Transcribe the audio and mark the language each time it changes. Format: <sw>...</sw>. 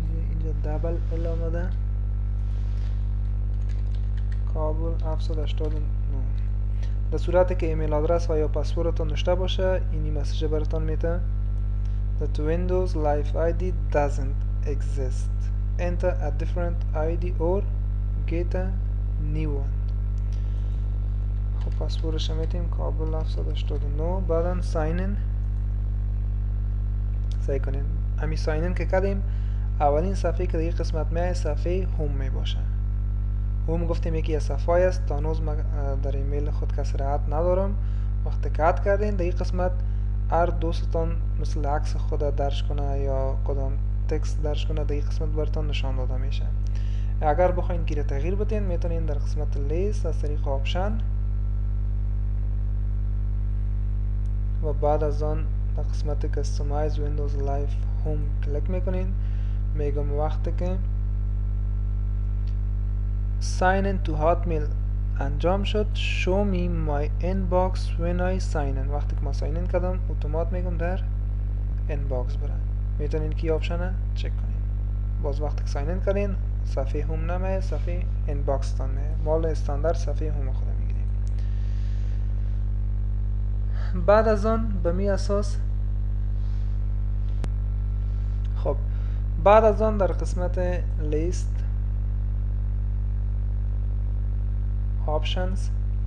<fa>اینجا دبل ال آمده kabul789. در صورت که ایمیل آدرس و یا پسوردتون نشته باشه اینی مسیج براتون میده:</fa> <en>That Windows Live ID doesn't exist. Enter a different ID or get a new one.</en> <fa>خب پسوردش میتیم</fa> <en>kabul789.</en> <fa>بعدا sign in سعی کنیم. امی sign in که کردیم اولین صفحه که در این قسمت میای صفحه هوم میباشه. هم گفتیم یکی از صفحه است، تا نوز در ایمیل خود کسی را عد ندارم. وقتی که عد کردین در این قسمت هر دوستتان مثل عکس خود درش کنه یا کدام تکست درش کنه در این قسمت براتان نشان داده میشه. اگر بخواین گیره تغییر بدین میتونین در قسمت لیست از طریق آپشن و بعد از آن در قسمت کستومایز ویندوز لایف هوم کلک میکنین. میگم وقتی که</fa> <en>sign in to Hotmail</en> <fa>انجام شد</fa> <en>show me my inbox when I sign in.</en> <fa>وقتی که ما sign in کردم اوتومات میگم در inbox بره. میتونین کی آپشنه چک کنین. باز وقتی که sign in کردین صفحه هوم نمه صفحه inbox تانه، مال استاندارد صفحه هوم خود میگیریم. بعد از آن به می اساس خب بعد از آن در قسمت list options.</fa>